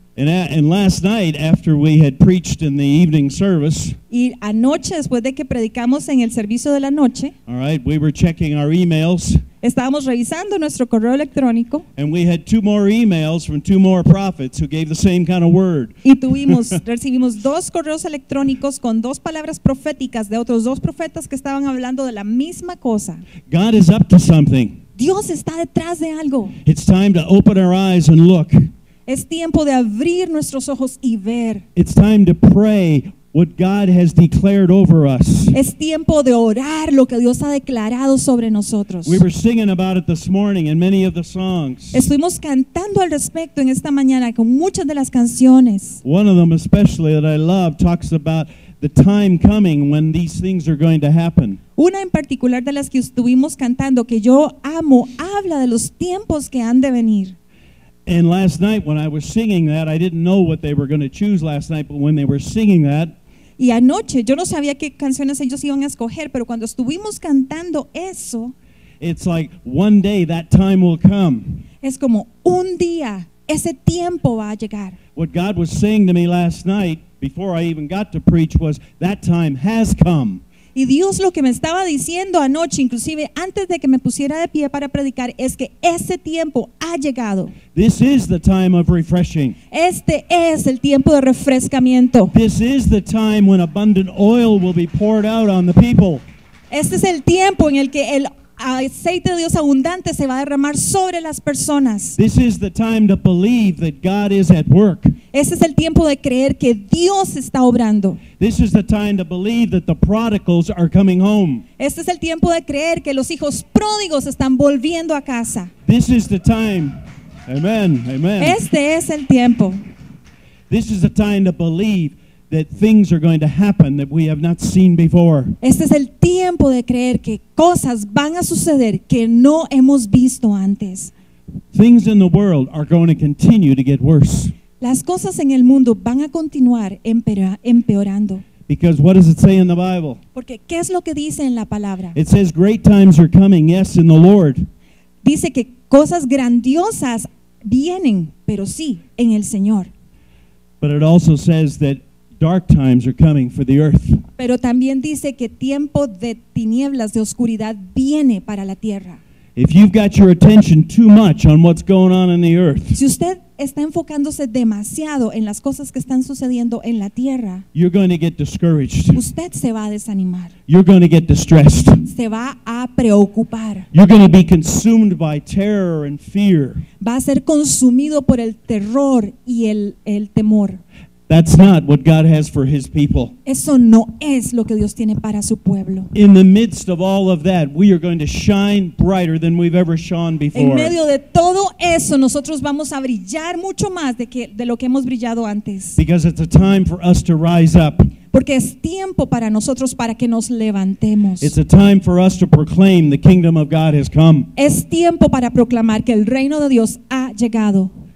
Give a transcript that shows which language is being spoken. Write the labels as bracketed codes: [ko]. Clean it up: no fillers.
[en] And last night, after we had preached in the evening service, [es] y anoche, después de que predicamos en el servicio de la noche, [en] all right, we were checking our emails, [es] estábamos revisando nuestro correo electrónico, [en] and we had two more emails from two more prophets who gave the same kind of word. [es] Y tuvimos, recibimos dos correos electrónicos con dos palabras proféticas de otros dos profetas que estaban hablando de la misma cosa. [en] God is up to something. [es] Dios está detrás de algo. [en] It's time to open our eyes and look. [es] Es tiempo de abrir nuestros ojos y ver. [en] It's time to pray what God has declared over us. [es] Es tiempo de orar lo que Dios ha declarado sobre nosotros. [en] We were singing about it this morning in many of the songs. [es] Estuvimos cantando al respecto en esta mañana con muchas de las canciones. [en] One of them especially that I love talks about the time coming when these things are going to happen. [es] Una en particular de las que estuvimos cantando que yo amo habla de los tiempos que han de venir. [en] And last night when I was singing that, I didn't know what they were going to choose last night, but when they were singing that, [es] y anoche yo no sabía qué canciones ellos iban a escoger, pero cuando estuvimos cantando eso, [en] it's like one day that time will come. [es] Es como un día ese tiempo va a llegar. [en] What God was saying to me last night before I even got to preach was that time has come. [es] Y Dios lo que me estaba diciendo anoche, inclusive antes de que me pusiera de pie para predicar, es que ese tiempo ha llegado. [en] This is the time of refreshing. [es] Este es el tiempo de refrescamiento. [en] This is the time when abundant oil will be poured out on the people. [es] Este es el tiempo en el que el aceite de Dios abundante se va a derramar sobre las personas. [en] This is the time to believe that God is at work. [es] Este es el tiempo de creer que Dios está obrando. [en] This is the time to believe that the prodigals are coming home. [es] Este es el tiempo de creer que los hijos pródigos están volviendo a casa. [en] This is the time. Amen. Amen. [es] Este es el tiempo. [en] This is the time to believe that things are going to happen that we have not seen before. [es] Este es el tiempo de creer que cosas van a suceder que no hemos visto antes. [en] Things in the world are going to continue to get worse. [es] Las cosas en el mundo van a continuar empeorando. [en] Because what does it say in the Bible? [es] Porque ¿qué es lo que dice en la palabra? [en] It says great times are coming, yes, in the Lord. [es] Dice que cosas grandiosas vienen, pero sí, en el Señor. [en] But it also says that dark times are coming for the earth. [es] Pero también dice que tiempo de tinieblas, de oscuridad, viene para la tierra. [en] If you've got your attention too much on what's going on in the earth, [es] si usted está enfocándose demasiado en las cosas que están sucediendo en la tierra, [en] you're going to get discouraged. [es] Usted se va a desanimar. [en] You're going to get distressed. [es] Se va a preocupar. [en] You're going to be consumed by terror and fear. [es] Va a ser consumido por el terror y el temor. [en] That's not what God has for His people. [es] Eso no es lo que Dios tiene para su pueblo. [en] In the midst of all of that, we are going to shine brighter than we've ever shone before. [es] En medio de todo eso, nosotros vamos a brillar mucho más de lo que hemos brillado antes. [en] Because it's a time for us to rise up. [es] Porque es tiempo para nosotros para que nos levantemos. [en] It's a time for us to proclaim the kingdom of God has come. [es] Es tiempo para proclamar que el reino de Dios ha llegado.